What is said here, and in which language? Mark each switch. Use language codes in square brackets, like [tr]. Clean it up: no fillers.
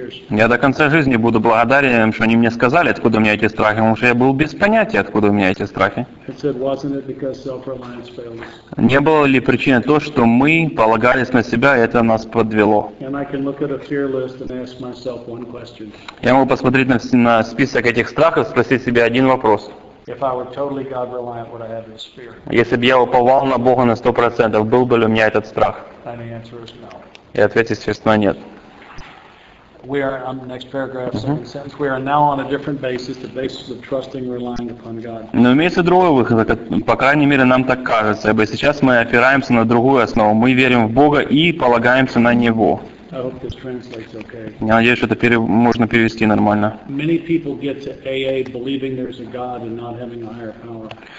[ru] Я до конца жизни буду благодарен им, что они мне сказали, откуда у меня эти страхи, потому что я был без понятия, откуда у меня эти страхи. Не было ли причины то, что мы полагались на себя, и это нас подвело? Я могу посмотреть на список этих страхов, спросить себя один вопрос. [en] If I were totally God reliant, would I have this fear? [ru] Если бы я уповал на Бога на 100%, был бы ли у меня этот страх? [en] And the answer is no. [ru] И ответ, естественно, нет. [en] We are on the next paragraph, second sentence. We are now on a different basis, the basis of trusting, relying upon God. [ru] Но имеется другой выход, по крайней мере, нам так кажется. Ибо сейчас мы опираемся на другую основу. Мы верим в Бога и полагаемся на Него. [en] I hope this translates okay. [ru] Я надеюсь, это можно перевести нормально. [en] Many people get to AA believing there's a God and not having a higher power.